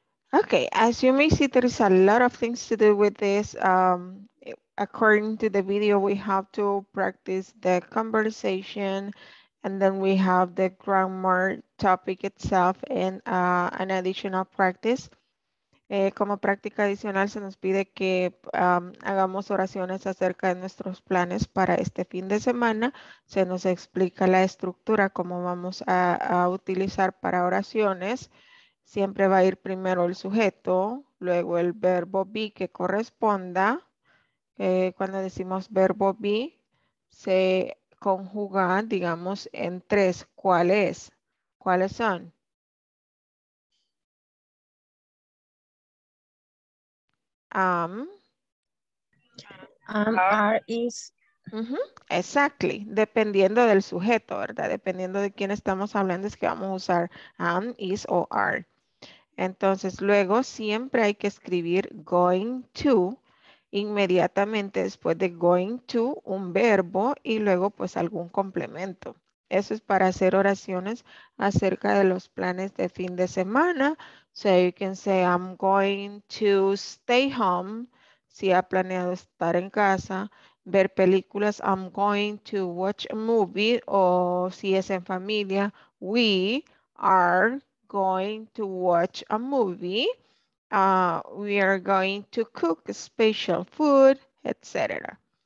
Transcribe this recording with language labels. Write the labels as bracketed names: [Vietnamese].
[English] Okay, as you may see, there is a lot of things to do with this. According to the video, we have to practice the conversation, and then we have the grammar topic itself and an additional practice. [Spanish] Como práctica adicional, se nos pide que hagamos oraciones acerca de nuestros planes para este fin de semana. Se nos explica la estructura, cómo vamos a utilizar para oraciones. Siempre va a ir primero el sujeto, luego el verbo be que corresponda. Cuando decimos verbo be, se conjuga, digamos, en tres. ¿Cuál es? ¿Cuáles son? [English] Am. Are, is. [Spanish] Uh-huh. Exactly. Dependiendo del sujeto, ¿verdad? Dependiendo de quién estamos hablando, es que vamos a usar am, is o are. Entonces, luego siempre hay que escribir going to inmediatamente después de going to un verbo y luego pues algún complemento. Eso es para hacer oraciones acerca de los planes de fin de semana. [English] So you can say I'm going to stay home. [Spanish] Si ha planeado estar en casa, ver películas, [English] I'm going to watch a movie. [Spanish] O si es en familia, [English] we are going to watch a movie, we are going to cook special food, etc.